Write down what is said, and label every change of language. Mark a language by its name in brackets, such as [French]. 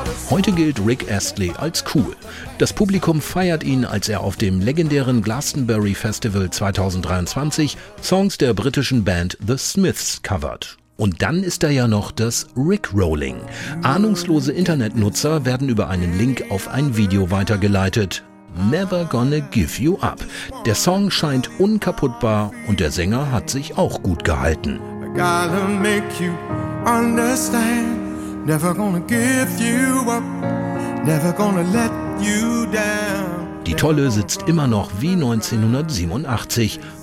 [German] Heute gilt Rick Astley als cool. Das Publikum feiert ihn, als er auf dem legendären Glastonbury Festival 2023 Songs der britischen Band The Smiths covert. Und dann ist da ja noch das Rickrolling. Ahnungslose Internetnutzer werden über einen Link auf ein Video weitergeleitet. Never Gonna Give You Up. Der Song scheint unkaputtbar und der Sänger hat sich auch gut gehalten. [English] I gotta make you understand. Never gonna give you up. Never gonna let you down. [German] Die Tolle sitzt immer noch wie 1987.